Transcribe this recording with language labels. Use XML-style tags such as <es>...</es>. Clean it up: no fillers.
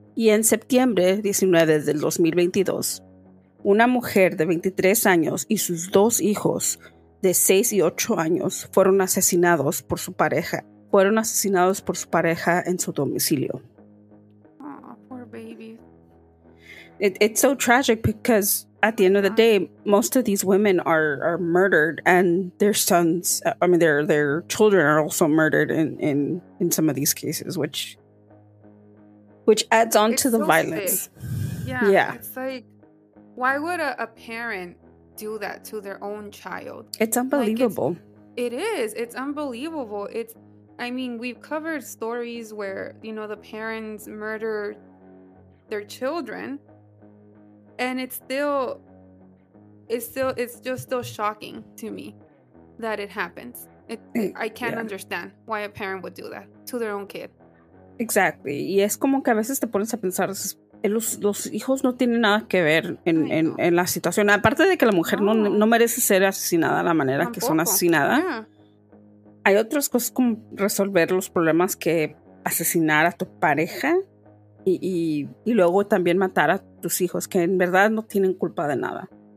<es>Y en septiembre 19 del 2022, una mujer de 23 años y sus dos hijos de 6 y 8 años fueron asesinados por su pareja en su domicilio.</es> <en>Oh, poor baby. It's so tragic because at the end of the day, most of these women are murdered and their sons, I mean their children are also murdered in some of these cases, which adds on it's to the so violence. Sick. Yeah. It's like, why would a parent do that to their own child? It's unbelievable. Like it's unbelievable. I mean, we've covered stories where, you know, the parents murder their children. And it's still shocking to me that it happens. I can't understand why a parent would do that to their own kid. Exactly.</en> <es>Y es como que a veces te pones a pensar, los hijos no tienen nada que ver en la situación. Aparte de que la mujer no merece ser asesinada de la manera que son asesinadas. Hay otras cosas como resolver los problemas que asesinar a tu pareja y luego también matar a tus hijos, que en verdad no tienen culpa de nada.</es>